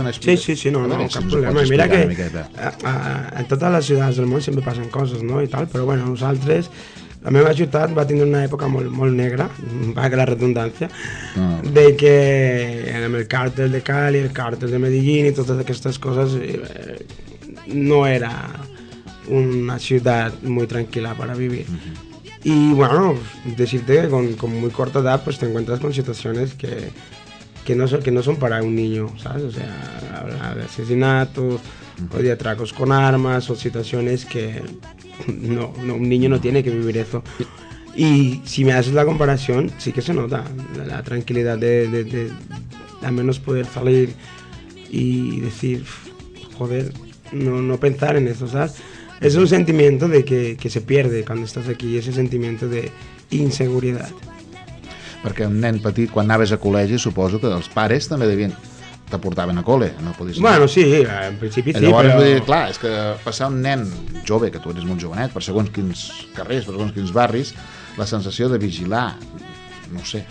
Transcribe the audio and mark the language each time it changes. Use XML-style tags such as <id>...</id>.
<ca>Cap problema, mira que a totes les ciutats del món sempre passen coses, no, i tal, però bueno, nosaltres la meva ciutat va tindre una època molt negra, vaga la redundància, de que amb el càrtel de Cali, el càrtel de Medellín i totes aquestes coses no era una ciutat molt tranquil·la per a viure.</ca> <es>Y bueno, decirte que con muy corta edad pues te encuentras con situaciones que no son para un niño, ¿sabes? O sea, habla de asesinatos, o de atracos con armas, o situaciones que no un niño no tiene que vivir eso. Y si me haces la comparación, sí que se nota la tranquilidad de al menos poder salir y decir, joder, no pensar en eso, ¿sabes? Es un sentimiento de que se pierde cuando estás aquí, ese sentimiento de inseguridad.</es> <ca>Perquè un nen petit, quan anaves a col·legi, suposo que els pares també devien... te portaven a col·le, no podies... Bueno, sí, en principi sí, llavors, però... Llavors, clar, és que passar un nen jove, que tu eres molt jovenet, per segons quins carrers, per segons quins barris, la sensació de vigilar, no sé...</ca>